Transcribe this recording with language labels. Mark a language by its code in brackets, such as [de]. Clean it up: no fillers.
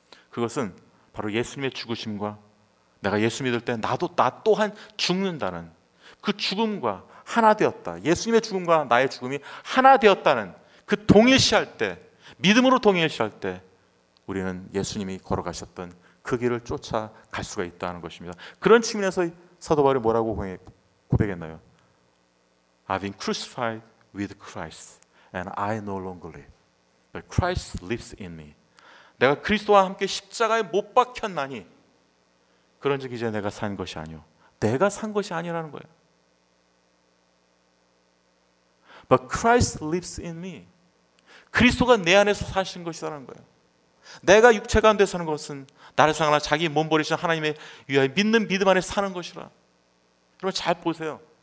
[ko] 그것은 바로 예수님의 죽으심과 내가 예수 믿을 때 나도 나 또한 죽는다는 그 죽음과 하나 되었다. 예수님의 죽음과 나의 죽음이 하나 되었다는 그 동일시할 때 믿음으로 동일시할 때 우리는 예수님이 걸어가셨던 그 길을 쫓아갈 수가 있다는 것입니다. 그런 측면에서 사도바울이 뭐라고 고백했나요? [en] I've been crucified with Christ and I no longer live. But Christ lives in me. [ko] 내가 그리스도와 함께 십자가에 못 박혔나니 그런 즉 이제 내가 산 것이 아니오. 내가 산 것이 아니라는 거예요. [en] But Christ lives in me. [ko] 그리스도가 내 안에서 사신 것이라는 거예요. 내가 육체 가운데 사는 것은 나를 상하나 자기 몸 버리신 하나님의 위하여 믿는 믿음 안에 사는 것이라. 여러분 잘 보세요.